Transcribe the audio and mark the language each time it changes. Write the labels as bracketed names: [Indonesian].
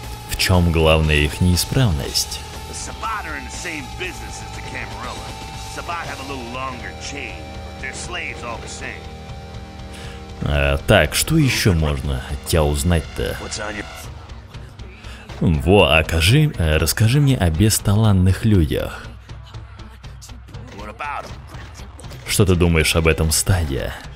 [Russian] В чем главная их неисправность? [English] Sabat are in the same business as the Camarilla. Sabat have a little longer chain, but they're slaves all the same. [Russian] Так, что еще можно от тебя узнать-то? Во, окажи, расскажи мне о бесталанных людях. Что ты думаешь об этом стаде?